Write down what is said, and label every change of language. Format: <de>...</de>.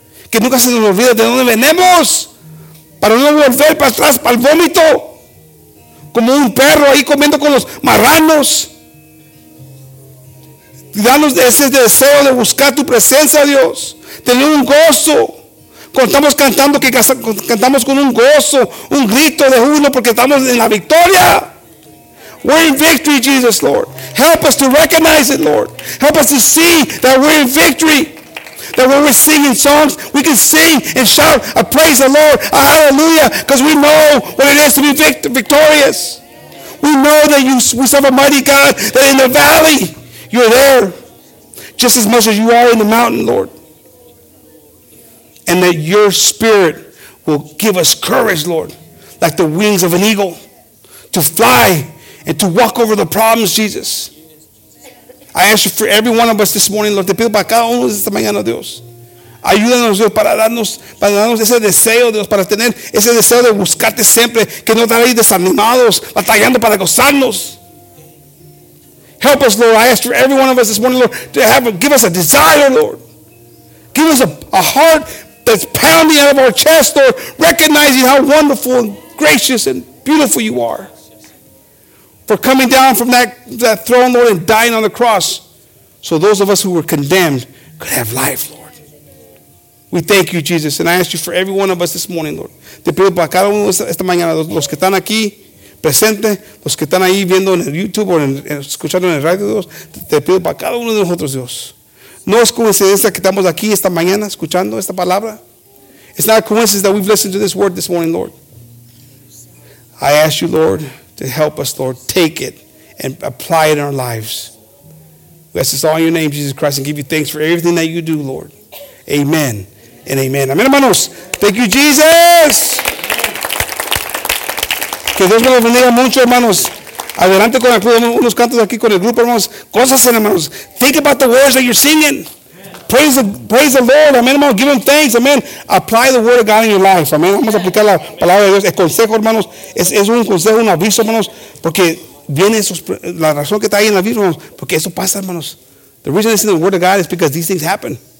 <es>Que nunca se nos olvide de dónde venimos, para no volver para atrás, para el vómito, como un perro ahí comiendo con los marranos. Danos ese deseo de buscar tu presencia, Dios. Tener un gozo. Contamos cantando que cantamos con un gozo, un grito de júbilo porque estamos en la victoria.</es> <en>We're in victory, Jesus, Lord. Help us to recognize it, Lord. Help us to see that we're in victory. That when we're singing songs, we can sing and shout a praise the Lord, a hallelujah, because we know what it is to be victorious. We know that we serve a mighty God, that in the valley, you're there just as much as you are in the mountain, Lord. And that your spirit will give us courage, Lord, like the wings of an eagle, to fly and to walk over the problems, Jesus. I ask you for every one of us this morning, Lord.</en> <es>Te pido para cada uno de esta mañana, Dios. Ayúdanos, Dios, para darnos ese deseo, Dios, para tener ese deseo de buscarte siempre, que no estar ahí desanimados, batallando para gozarnos.</es> <en>Help us, Lord. I ask for every one of us this morning, Lord, to give us a desire, Lord. Give us a heart that's pounding out of our chest, Lord, recognizing how wonderful and gracious and beautiful you are. For coming down from that throne, Lord, and dying on the cross, so those of us who were condemned could have life, Lord. We thank you, Jesus, and I ask you for every one of us this morning, Lord.</en> <es>Te pido para cada uno esta mañana, los que están aquí presente, los que están ahí viendo en el YouTube o escuchando en el radio, Dios, te pido para cada uno de nosotros, Dios. No es coincidencia que estamos aquí esta mañana escuchando esta palabra.</es> <en>It's not a coincidence that we've listened to this word this morning, Lord. I ask you, Lord, to help us, Lord, take it and apply it in our lives. Bless us all in your name, Jesus Christ, and give you thanks for everything that you do, Lord. Amen and amen. Amen, hermanos. Thank you, Jesus.</en> <es>Que Dios me lo bendiga mucho, hermanos. Adelante con el club. Unos cantos aquí con el grupo, hermanos. Cosas, hermanos.</es> <en>Think about the words that you're singing. Praise the Lord. Amen, hermanos. Give him thanks. Amen. Apply the word of God in your life.</en> <es>Amen. Vamos a aplicar la palabra de Dios. El consejo, hermanos. Es un consejo, un aviso, hermanos. Porque viene esos, la razón que está ahí en la vida, hermanos. Porque eso pasa, hermanos.</es> <en>The reason it's in the word of God is because these things happen.</en>